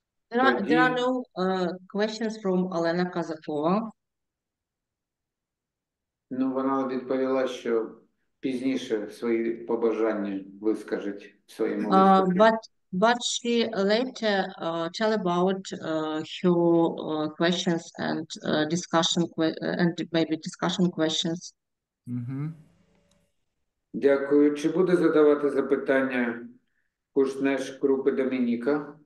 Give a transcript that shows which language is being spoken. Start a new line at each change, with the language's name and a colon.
English: There are no questions from Олена Казакова.
Ukrainian: Ну, вона відповіла, що пізніше свої побажання вискажуть в своєму виступі.
English: But she later tell about her questions and discussion and maybe discussion questions. Mm-hmm.
Ukrainian: Дякую. Чи буде задавати запитання Кушнеш групи Домініка?